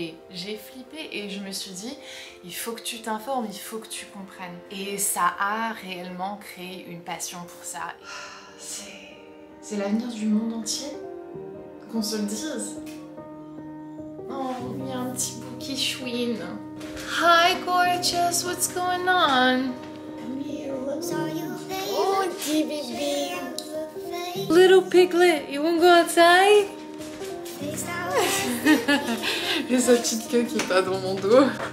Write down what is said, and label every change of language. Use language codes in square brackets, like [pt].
[fr] J'ai flippé et je me suis dit, il faut que tu t'informes, il faut que tu comprennes. Et ça a réellement créé une passion pour ça. C'est l'avenir du monde entier, qu'on se le dise. Oh, il y a un petit bout qui chouine. [en] Hi gorgeous, what's going on? [fr] Oh, petit bébé. [en] Little piglet, you won't go outside? [fr] Et sa petite queue qui est pas dans mon dos.